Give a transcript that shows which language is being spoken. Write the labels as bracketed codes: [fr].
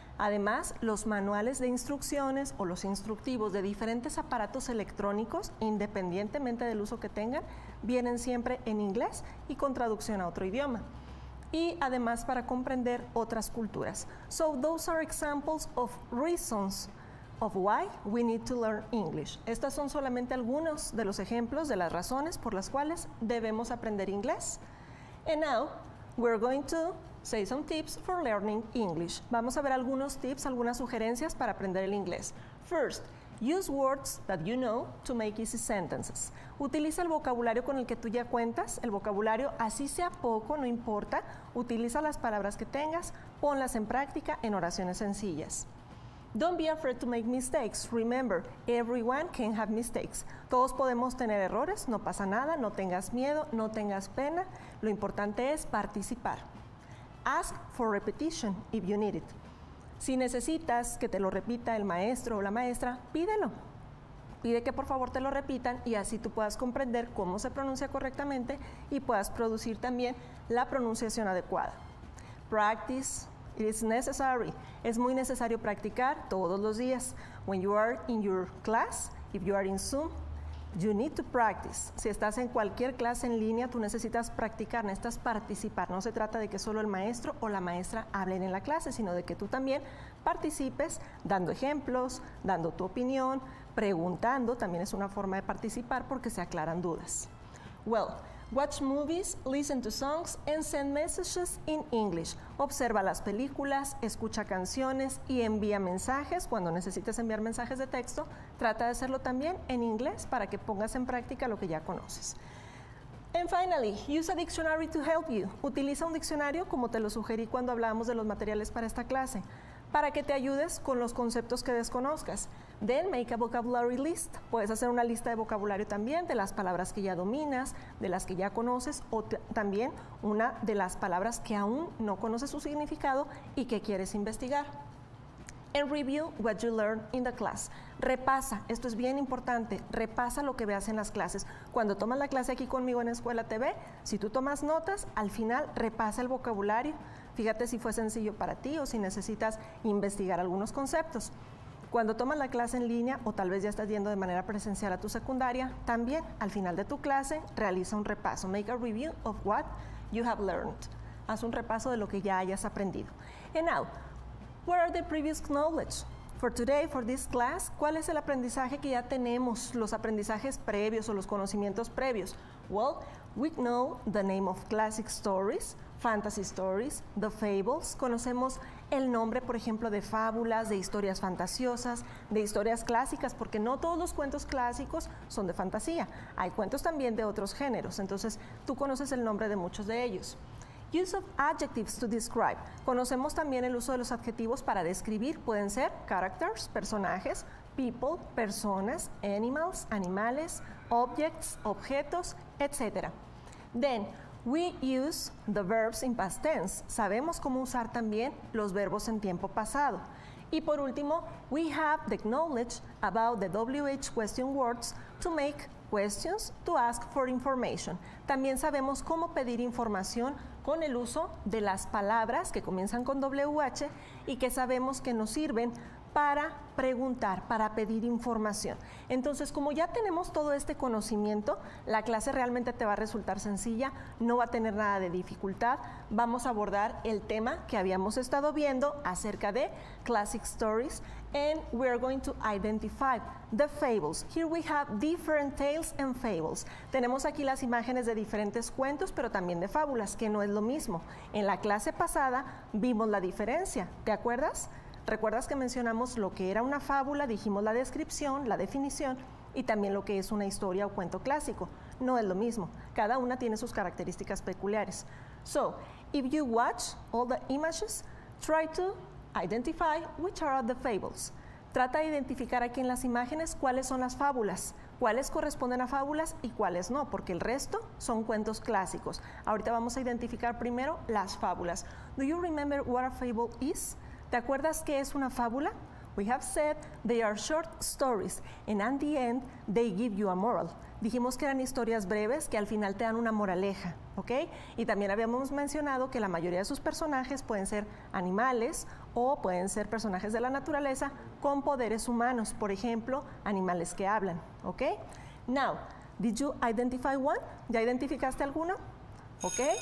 [es] Además, los manuales de instrucciones o los instructivos de diferentes aparatos electrónicos, independientemente del uso que tengan, vienen siempre en inglés y con traducción a otro idioma. Y además para comprender otras culturas. [en] So those are examples of reasons of why we need to learn English. [es] Estas son solamente algunos de los ejemplos de las razones por las cuales debemos aprender inglés. [en] And now, we're going to say some tips for learning English. [es] Vamos a ver algunos tips, algunas sugerencias para aprender el inglés. [en] First, use words that you know to make easy sentences. [es] Utiliza el vocabulario con el que tú ya cuentas. El vocabulario, así sea poco, no importa. Utiliza las palabras que tengas, ponlas en práctica en oraciones sencillas. [en] Don't be afraid to make mistakes. Remember, everyone can have mistakes. [es] Todos podemos tener errores, no pasa nada, no tengas miedo, no tengas pena. Lo importante es participar. [en] Ask for repetition if you need it. [es] Si necesitas que te lo repita el maestro o la maestra, pídelo. Pide que por favor te lo repitan y así tú puedas comprender cómo se pronuncia correctamente y puedas producir también la pronunciación adecuada. [en] Practice. It is necessary. [es] Es muy necesario practicar todos los días. [en] When you are in your class, if you are in Zoom, you need to practice. [es] Si estás en cualquier clase en línea, tú necesitas practicar, necesitas participar. No se trata de que solo el maestro o la maestra hablen en la clase, sino de que tú también participes dando ejemplos, dando tu opinión, preguntando. También es una forma de participar porque se aclaran dudas. [en] Well, watch movies, listen to songs, and send messages in English. [es] Observa las películas, escucha canciones y envía mensajes. Cuando necesites enviar mensajes de texto, trata de hacerlo también en inglés para que pongas en práctica lo que ya conoces. [en] And finally, use a dictionary to help you. [es] Utiliza un diccionario, como te lo sugerí cuando hablábamos de los materiales para esta clase, para que te ayudes con los conceptos que desconozcas. [en] Then make a vocabulary list. [es] Puedes hacer una lista de vocabulario también de las palabras que ya dominas, de las que ya conoces, o también una de las palabras que aún no conoces su significado y que quieres investigar. [en] And review what you learned in the class. [es] Repasa, esto es bien importante, repasa lo que veas en las clases. Cuando tomas la clase aquí conmigo en Escuela TV, si tú tomas notas, al final repasa el vocabulario. Fíjate si fue sencillo para ti o si necesitas investigar algunos conceptos. Cuando tomas la clase en línea o tal vez ya estás yendo de manera presencial a tu secundaria, también al final de tu clase realiza un repaso. [en] Make a review of what you have learned. [es] Haz un repaso de lo que ya hayas aprendido. [en] And now, what are the previous knowledge? For today, for this class, [es] ¿cuál es el aprendizaje que ya tenemos, los aprendizajes previos o los conocimientos previos? [en] Well, we know the name of classic stories, fantasy stories, the fables. [es] Conocemos el nombre, por ejemplo, de fábulas, de historias fantasiosas, de historias clásicas, porque no todos los cuentos clásicos son de fantasía. Hay cuentos también de otros géneros, entonces tú conoces el nombre de muchos de ellos. [en] Use of adjectives to describe. [es] Conocemos también el uso de los adjetivos para describir. Pueden ser characters, personajes, people, personas, animals, animales, objects, objetos, etc. [en] Then, we use the verbs in past tense. [es] Sabemos cómo usar también los verbos en tiempo pasado. Y por último, [en] we have the knowledge about the WH question words to make questions to ask for information. [es] También sabemos cómo pedir información con el uso de las palabras que comienzan con WH y que sabemos que nos sirven para preguntar, para pedir información. Entonces, como ya tenemos todo este conocimiento, la clase realmente te va a resultar sencilla, no va a tener nada de dificultad. Vamos a abordar el tema que habíamos estado viendo acerca de [en] classic stories, and we are going to identify the fables. Here we have different tales and fables. [es] Tenemos aquí las imágenes de diferentes cuentos, pero también de fábulas, que no es lo mismo. En la clase pasada vimos la diferencia, ¿te acuerdas? ¿Recuerdas que mencionamos lo que era una fábula, dijimos la descripción, la definición y también lo que es una historia o cuento clásico? No es lo mismo. Cada una tiene sus características peculiares. [en] So, if you watch all the images, try to identify which are the fables. [es] Trata de identificar aquí en las imágenes cuáles son las fábulas, cuáles corresponden a fábulas y cuáles no, porque el resto son cuentos clásicos. Ahorita vamos a identificar primero las fábulas. [en] Do you remember what a fable is? [es] ¿Te acuerdas qué es una fábula? [en] We have said they are short stories, and at the end, they give you a moral. [es] Dijimos que eran historias breves que al final te dan una moraleja, ¿ok? Y también habíamos mencionado que la mayoría de sus personajes pueden ser animales o pueden ser personajes de la naturaleza con poderes humanos, por ejemplo, animales que hablan, ¿ok? [en] Now, did you identify one? [es] ¿Ya identificaste alguno? ¿Ok?